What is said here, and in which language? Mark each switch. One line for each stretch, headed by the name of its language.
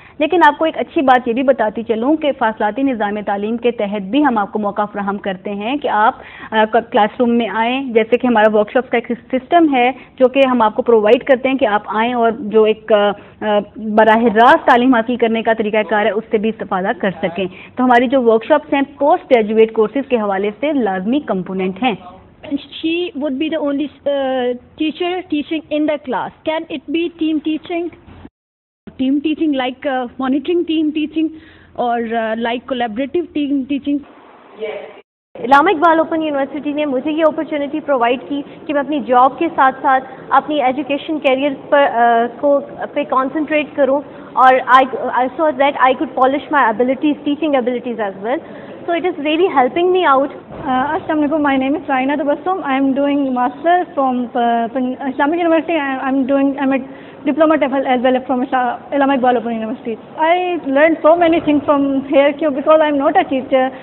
Urdu: لیکن آپ کو ایک اچھی بات یہ بھی بتاتی چلوں کہ فاصلاتی نظام تعلیم کے تحت بھی ہم آپ کو موقع فراہم کرتے ہیں کہ آپ کلاس روم میں آئیں. جیسے کہ ہمارا ورک شاپس کا ایک سسٹم ہے جو کہ ہم آپ کو پرووائڈ کرتے ہیں کہ آپ آئیں اور جو ایک براہ راست تعلیم حاصل کرنے کا طریقہ کار ہے اس سے بھی استفادہ کر سکیں. تو ہماری جو ورک شاپس ہیں پوسٹ گریجویٹ کورسز کے حوالے سے لازمی کمپوننٹ ہیں.
English: She would be the only teacher teaching in the class. Can it be team teaching? Team teaching like monitoring team teaching or like collaborative team teaching? Yes.
Urdu: Allama Iqbal open university نے مجھے یہ opportunity provide کی کہ میں اپنی job کے ساتھ ساتھ اپنی ایجوکیشن کیریئر پر پہ کانسنٹریٹ کروں، اور
English: So that I could polish my abilities, teaching abilities as well. So it is really helping me out. Assalamu alaikum, my name is Raina Dubasum. I am doing master from Islamic University. I'm a diploma TEFL as well from Allama Iqbal Open University. I learned so many things from here because I'm not a teacher.